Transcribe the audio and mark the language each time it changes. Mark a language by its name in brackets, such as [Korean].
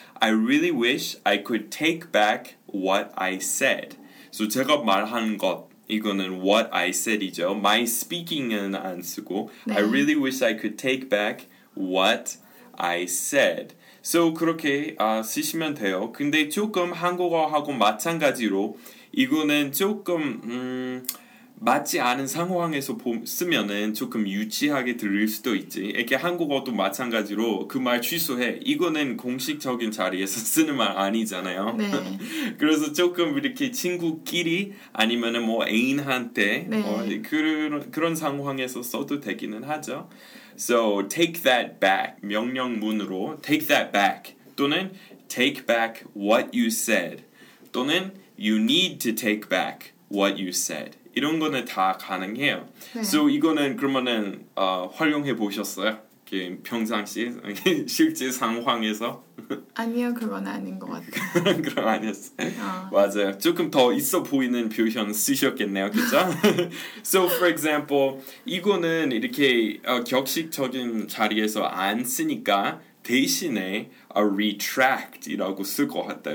[English] I really wish I could take back what I said. So [Korean] 제가 말한 것 이거는 [English] what I said [Korean] 이죠. [English] My speaking [Korean] 은 안 쓰고 네. [English] I really wish I could take back what I said. So [Korean] 그렇게 쓰시면 돼요. 근데 조금 한국어하고 마찬가지로 이거는 조금 맞지 않은 상황에서 쓰면은 조금 유치하게 들릴 수도 있지. 이렇게 한국어도 마찬가지로 그 말 취소해. 이거는 공식적인 자리에서 쓰는 말 아니잖아요. 네. 그래서 조금 이렇게 친구끼리 아니면은 뭐 애인한테 네. 그런 상황에서 써도 되기는 하죠. [English] So, take that back. [Korean] 명령문으로 [English] take that back. 또는 take back what you said. 또는 you need to take back what you said. [Korean] 이런 거는 다 가능해요. 네. [English] So, [Korean] 이거는 그러면은 활용해 보셨어요? 평상시 실제 상황에서? 아니요, 그건 아닌 것 같아요. 그럼 아니었어요. 어. 맞아요. 조금 더 있어 보이는 표현 쓰셨겠네요, 그쵸? [English] So, for example, [Korean] 이거는 이렇게 격식적인 자리에서 안 쓰니까 대신에 a retract이라고 쓸 것 같아요.